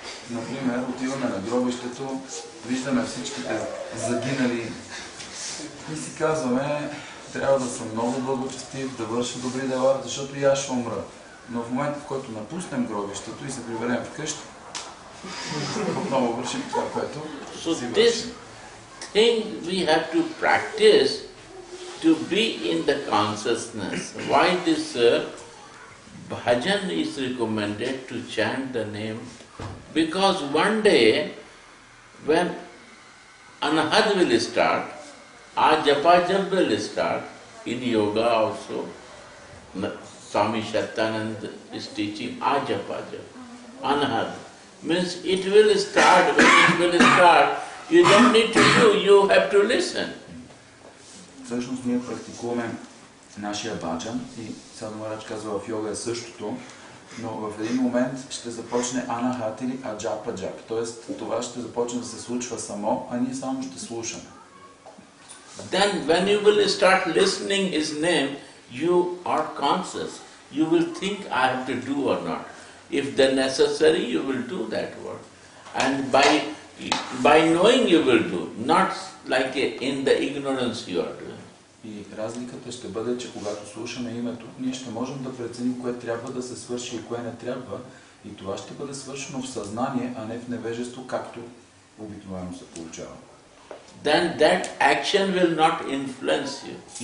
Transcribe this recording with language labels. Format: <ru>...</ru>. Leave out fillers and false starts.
<bg>Например, отиваме на гробището, виждаме всичките загинали. И си казваме, трябва да съм много благочестив, да върша добри дела, защото и аз ще умра. Но в момента, в който напуснем гробището и се приберем вкъщи, отново вършим това, което си вършим.</bg> <en>So this thing we have to practice to be in the consciousness. Why this bhajan is recommended to chant the name? Because one day when anahat will start, ajapajal will start in yoga also. Swami Shatananda is teaching ajapajal, anahat. Means it will start, when it will start, you don't need to do, you have to listen.</en> <bg>Всъщност ние практикуваме нашия баджан и Садха Махарадж казва в йога е същото, но в един момент ще започне анахат или аджападжап, т.е. това ще започне да се случва само, а ние само ще слушаме.</bg> <en>Then when you will start listening his name, you are conscious. You will think I have to do or not. If the necessary, you will do that work. And by knowing you will do, not like in the ignorance you are doing.</en> <bg>И разликата ще бъде, че когато слушаме името, ние ще можем да преценим кое трябва да се свърши и кое не трябва. И това ще бъде свършено в съзнание, а не в невежество, както обикновено се получава.</bg> <en>Then that action will not influence you.</en>